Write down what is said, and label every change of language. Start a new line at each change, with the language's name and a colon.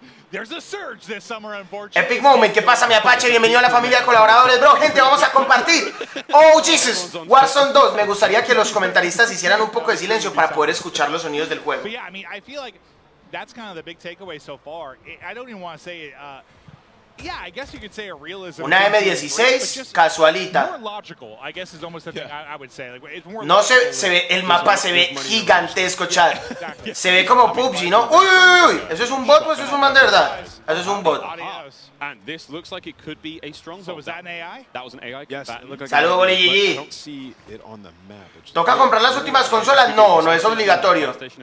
English: There's a surge this summer, unfortunately.
Spanish: Epic moment, ¿qué pasa, mi Apache? Bienvenido a la familia de colaboradores, bro. Gente, vamos a compartir.
English: Oh, Jesus.
Spanish: Warzone 2. Me gustaría que los comentaristas hicieran un poco de silencio para poder escuchar los sonidos del juego.
English: But yeah, I mean, I feel like that's kind of the big takeaway so far. I don't even want to say yeah, I guess you could say a realism.
Spanish: Una M16, casualita.
English: More logical, I guess, is almost a thing I would say. Like, it's more
Spanish: no sé, se ve, el mapa se ve gigantesco, chat. Se ve como PUBG, ¿no? ¡Uy! ¿Eso es un bot o eso es un man de verdad? Eso es un bot.
English: And this looks like it could be a stronghold. So was that an AI? That was an AI. Yes.
Spanish: Saludos, Boli GG. ¿Toca comprar las últimas consolas? No, no es obligatorio.